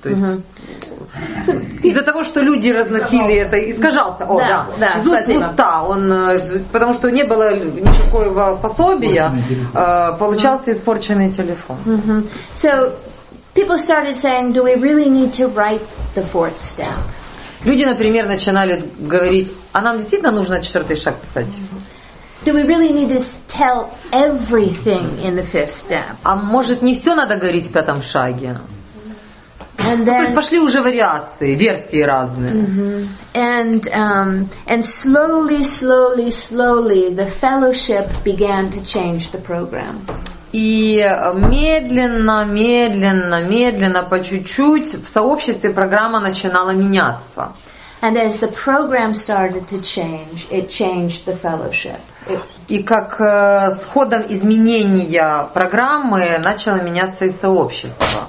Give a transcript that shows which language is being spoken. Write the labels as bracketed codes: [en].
[ru] То есть из-за того, что люди разносили это, искажался. О, да. Да. Зуд уста, он, потому что не было никакого пособия, получался испорченный телефон. [en] So people started saying, do we really need to write the fourth step? [ru] Люди, например, начинали говорить, а нам действительно нужно четвертый шаг писать? [en] Do we really need to tell everything in the fifth step? [ru] А может, не все надо говорить в пятом шаге? [en] And then, [ru] ну, то есть пошли уже вариации, версии разные. [en] And slowly, slowly, slowly the fellowship began to change the program. [ru] И медленно, медленно, медленно, по чуть-чуть в сообществе программа начинала меняться. [en] And as the program started to change, it changed the fellowship. [ru] И как с ходом изменения программы начало меняться и сообщество.